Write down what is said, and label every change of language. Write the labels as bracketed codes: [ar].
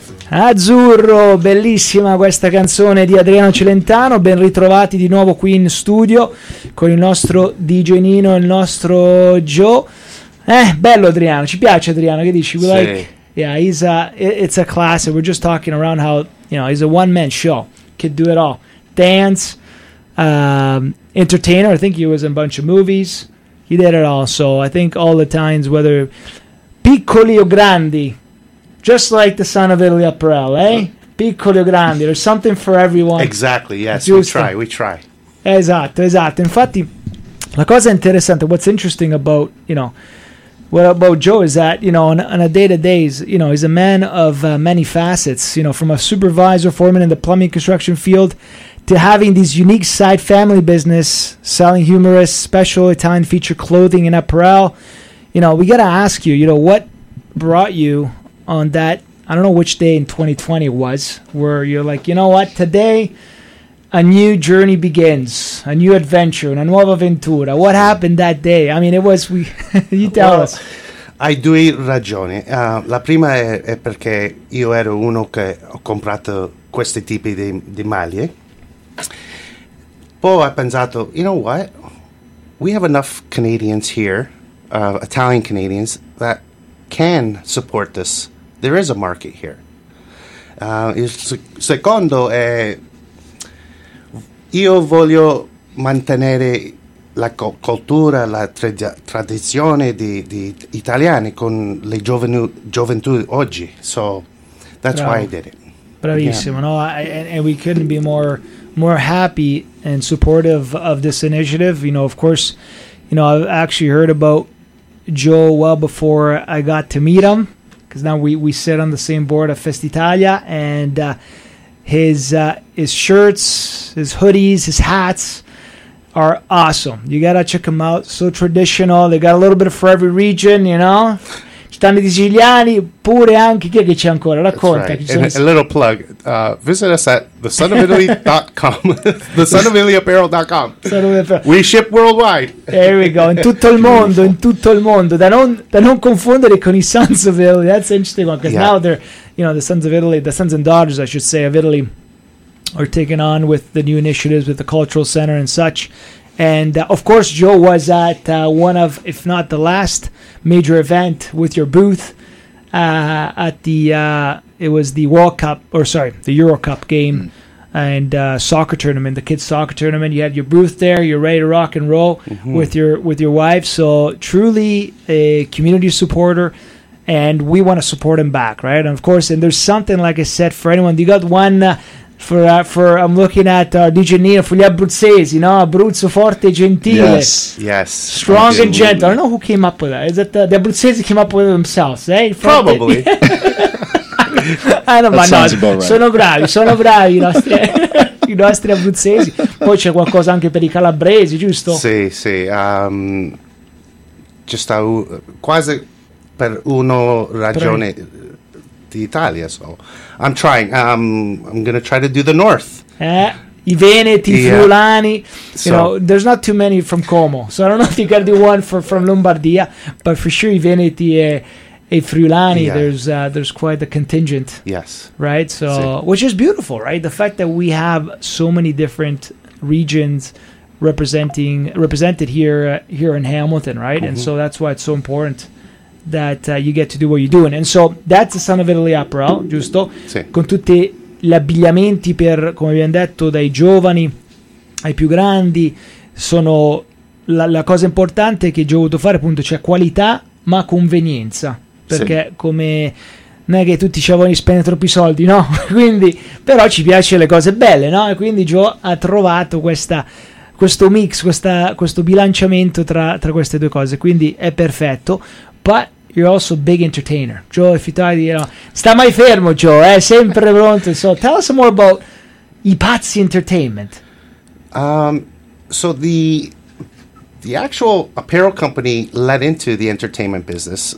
[it] Azzurro, bellissima questa canzone di Adriano Celentano, ben ritrovati di nuovo qui in studio con il nostro DJ Nino, il nostro Joe. Bello Adriano, ci piace Adriano, che dici? [en] Sì. Like, yeah, he's a, it's a classic. We're just talking around how, you know, he's a one man show, can do it all, dance, entertainer. I think he was in a bunch of movies, he did it all. So I think all the times, whether [it] piccoli o grandi, [en] just like the son of Italy Apparel, eh? [it] Piccoli o grandi, [en] there's something for everyone. Exactly, yes, [it] giusto. [en] we try. [it] Esatto, esatto. Infatti, la cosa interessante, [en] what's interesting about, you know, what about Joe is that, you know, on a day-to-day, you know, he's a man of many facets, you know, from a supervisor foreman in the plumbing construction field to having this unique side family business selling humorous special Italian feature clothing and apparel. You know, we got to ask you, you know, what brought you on that, I don't know which day in 2020 it was, where you're like, you know what, today a new journey begins, a new adventure, [it] una nuova avventura. [en] What happened that day? I mean, it was, you tell us. [it] Hai due ragioni. La prima è perché io ero uno che ho comprato questi tipi di maglie. Poi ho pensato, [en] you know what, we have enough Canadians here, Italian Canadians, that can support this. There is a market here. [it] Secondo è, io voglio mantenere la cultura, la tradizione di italiani con le gioventù oggi. [en] So that's why I did it. Bravissimo, yeah. No, and we couldn't be more happy and supportive of this initiative. You know, of course, you know, I've actually heard about Joe well before I got to meet him, because now we sit on the same board of Fest Italia, and his shirts, his hoodies, his hats are awesome. You gotta check them out. So traditional. They got a little bit of for every region, you know. [it] Ci stanno i siciliani, pure anche chi c'è ancora. Racconta. [en] Right. A little plug. Visit us at thesonofitaly.com. thesonofitalyapparel.com. We ship worldwide. There we go. [it] In tutto il mondo, in tutto il mondo. Da non confondere con i Sons of Italy. [en] That's an interesting one, because yeah, now they're, you know, the Sons of Italy, the Sons and Daughters, I should say, of Italy, are taking on with the new initiatives with the cultural center and such. And of course, Joe was at one of, if not the last, major event with your booth at the it was the World Cup, or sorry, the Euro Cup game, and soccer tournament, the kids soccer tournament. You had your booth there, you're ready to rock and roll, mm-hmm, with your wife. So truly a community supporter, and we want to support him back, right? And of course, and there's something, like I said, for anyone. You got one for I'm looking at DJ Nino for gli Abruzzesi, you know, [it] Abruzzo forte gentile. [en] Yes, yes. Strong and gentle. I don't know who came up with that. Is that the Abruzzesi came up with it themselves, eh? Probably. I don't know. No, right. [it] Sono bravi i nostri Abruzzesi. Poi c'è qualcosa anche per i calabresi, giusto? Sì, sì. Ci sta quasi per uno ragione d'Italia, [en] so I'm trying. I'm gonna try to do the north. I Veneti, yeah. Friulani. You know, there's not too many from Como, so I don't know if you gotta do one from Lombardia, but for sure I Veneti e Friulani. Yeah. There's quite the contingent. Yes. Right. So si, which is beautiful, right? The fact that we have so many different regions represented here in Hamilton, right? Mm-hmm. And so that's why it's so important that you get to do what you're doing. And so that's the Son of Italy Apparel, [it] giusto? Sì. Con tutti gli abbigliamenti per, come abbiamo detto, dai giovani ai più grandi. Sono la cosa importante che ho voluto fare, appunto, cioè qualità ma convenienza, perché sì, come non è che tutti ci vogliono spendere troppi soldi, no? Quindi, però ci piace le cose belle, no? E quindi Joe ha trovato questo mix, questo bilanciamento tra queste due cose, quindi è perfetto. [en] But you're also a big entertainer, Joe. If you thought, you know, [it] sta mai fermo, [en] Joe. [it] Sempre pronto. [en] So tell us some more about I Pazzi Entertainment. So the actual apparel company led into the entertainment business.